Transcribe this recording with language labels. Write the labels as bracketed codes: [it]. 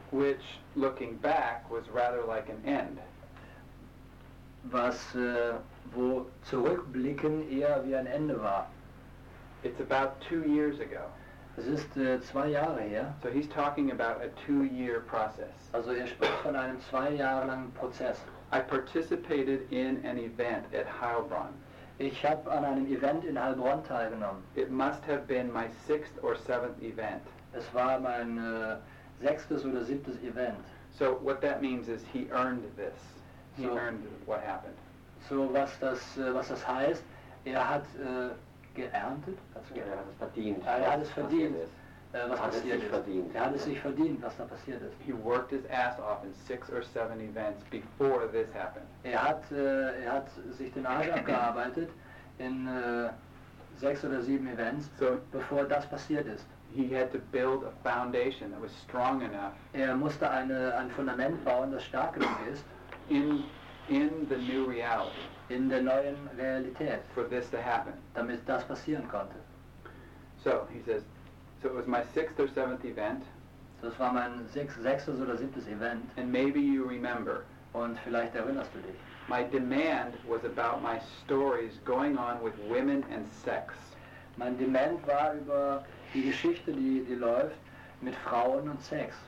[en] Which, looking back, was rather like an end. [de] Was wo zurückblicken eher wie ein Ende war. [en] It's about 2 years ago. [de] Es ist 2 Jahre her. [en] So he's talking about a 2 year process. [de] Also er spricht von einem 2 Jahre langen Prozess. [en] I participated in an event at Heilbronn. [de] Ich habe an einem Event in Heilbronn teilgenommen. [en] It must have been my 6th or 7th event. [de] Es war mein 6. oder 7. Event. [en] So what that means is he earned this. He earned what happened. [de] So was das heißt, er hat geerntet, also er hat es verdient. Er hat es verdient. Was passiert ist. Verdient. Er hat es sich verdient, was da passiert ist. [en] He worked his ass off in 6 or 7 events before this happened. [de] Er hat sich den Arsch abgearbeitet in 6 oder 7 Events, so bevor das passiert ist. [en] He had to build a foundation that was strong enough. [de] Er musste ein Fundament bauen, das stark genug ist. [en] In the new reality. [de] In der neuen Realität. [en] For this to happen. [de] Damit das passieren konnte. [en] So he says. So it was my 6th or 7th event. [de] Das war mein 6. oder 7. Event. [en] And maybe you remember. [de] Und vielleicht erinnerst du dich. [en] My demand was about my stories going on with women and sex. [de] Mein Demand war über die Geschichte, die läuft, mit Frauen und Sex.